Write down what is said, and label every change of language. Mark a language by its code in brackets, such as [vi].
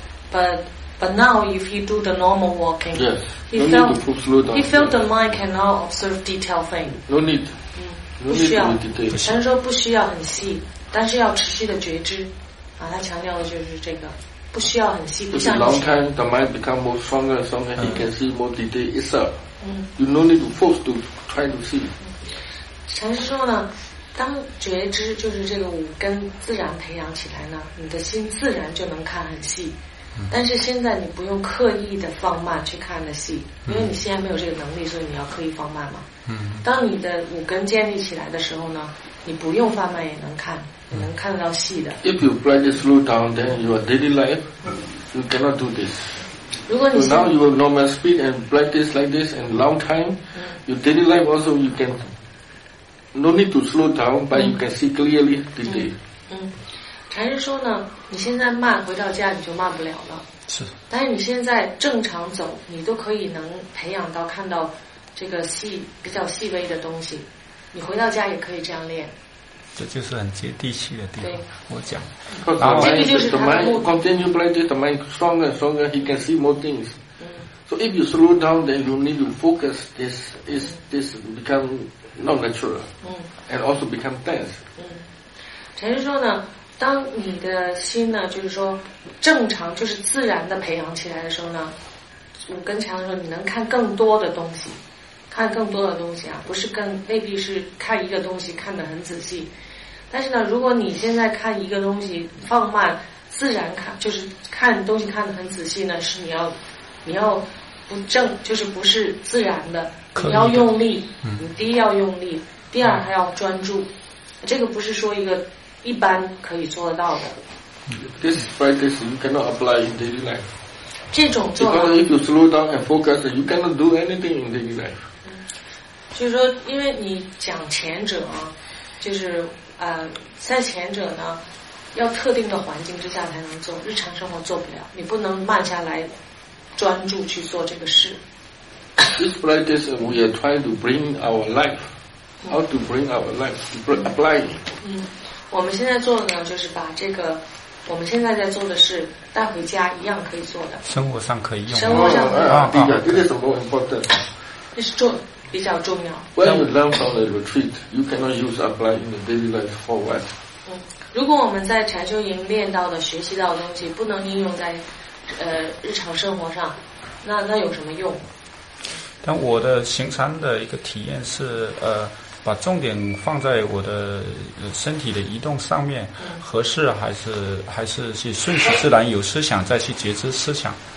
[en] But now if he do the normal walking, he felt the mind cannot observe detail thing. No need. [zh] 不需要。禅师说不需要很细。但是要持续的觉知，啊，他强调的就是这个，不需要很细，不像以前。 [en] Long time the mind become more stronger, so that he can see more detail itself. You no need to force to try to see. [zh] 禅师说呢，当觉知就是这个五根自然培养起来呢，你的心自然就能看很细。但是现在你不用刻意的放慢去看的戏，因为你现在没有这个能力，所以你要刻意放慢嘛。嗯，当你的五根建立起来的时候呢，你不用放慢也能看，你能看到戏的。 [en] If you gradually slow down, then your daily life, you cannot do this. [zh] 如果你 [en] so now your normal speed and practice like this and long time, your daily life also you can no need to slow down, but you can see clearly the day. [zh] 禅师说呢，你现在慢，回到家你就慢不了了。是。但是你现在正常走，你都可以能培养到看到这个细比较细微的东西，你回到家也可以这样练。这就是很接地气的地方。对，我讲。这个就是他的目的。 [en] Continue practice, the mind stronger and stronger, he can see more things. So if you slow down, then you need to focus. This become not natural. And also become dense. [zh] 禅师说呢。当你的心呢，就是说正常，就是自然的培养起来的时候呢，五根强的时候，你能看更多的东西，看更多的东西啊，不是跟未必是看一个东西看得很仔细。但是呢，如果你现在看一个东西放慢，自然看，就是看东西看得很仔细呢，是你要不正，就是不是自然的，你要用力，你第一要用力，第二还要专注，这个不是说一个。一般可以做得到的。 [en] This practice you cannot apply in daily life. [zh] 这种做法。 [en] Because if you slow down and focus, you cannot do anything in daily life. [zh] 就是说，因为你讲前者啊，就是在前者呢，要特定的环境之下才能做，日常生活做不了，你不能慢下来，专注去做这个事。 [en] This practice we are trying to bring our life, how to bring our life to apply. [zh] 我们现在做的呢，就是把这个我们现在在做的事带回家，一样可以做的。生活上可以用。生活上可以用。对呀，这个是 [en] more important。 [zh] 这是重比较重要。 When you learn from the retreat, you cannot use apply in the daily life for what? 如果我们在禅修营练到的、学习到的东西不能应用在日常生活上，那有什么用？但我的行禅的一个体验是把重点放在我的身体的移动上面，合适还是去顺其自然，有思想再去觉知思想。